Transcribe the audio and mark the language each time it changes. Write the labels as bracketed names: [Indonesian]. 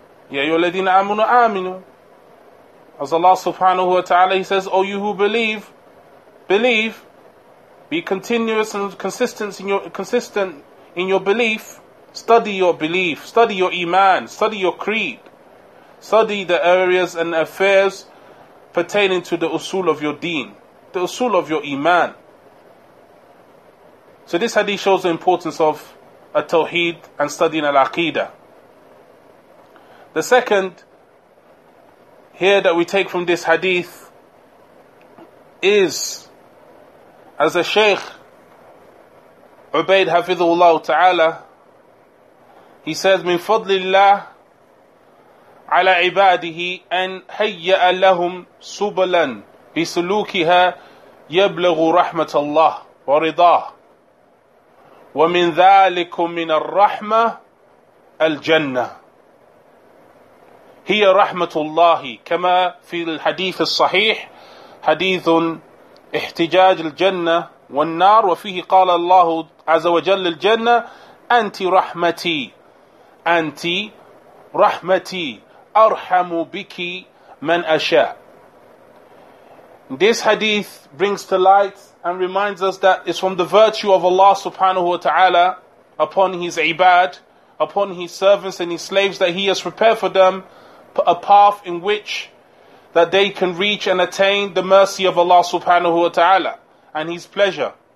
[Arabic] Ya ayyuha alladhina amanu aminu. [English] As Allah subhanahu wa ta'ala, he says, O you who believe, believe, be continuous and consistent in your belief, study your belief, study your iman, study your creed, study the areas and affairs pertaining to the usul of your deen, the usul of your iman. So this hadith shows the importance of At-Tawheed and studying Al-Aqidah. The second here that we take from this hadith is, as a Shaykh Ubaid Hafidhullah Ta'ala, he says, [Arabic] مِن فَضْلِ اللَّهِ عَلَىٰ عِبَادِهِ أَنْ هَيَّأَ لَهُمْ سُبَلًا بِسُلُوكِهَا يَبْلَغُ رَحْمَةَ اللَّهِ وَرِضَاهِ وَمِنْ ذَٰلِكُمْ مِنَ الرَّحْمَةِ الْجَنَّةِ. هي رحمة الله كما في الحديث الصحيح حديث احتجاج الجنة والنار وفيه قال الله عز وجل الجنة أنت رحمتي أنت رحمتي أرحم بك من أشاء. [English] This hadith brings to light and reminds us that it's from the virtue of Allah subhanahu wa ta'ala upon His ibad, upon His servants and His slaves, that He has prepared for them a path in which that they can reach and attain the mercy of Allah subhanahu wa ta'ala and His pleasure.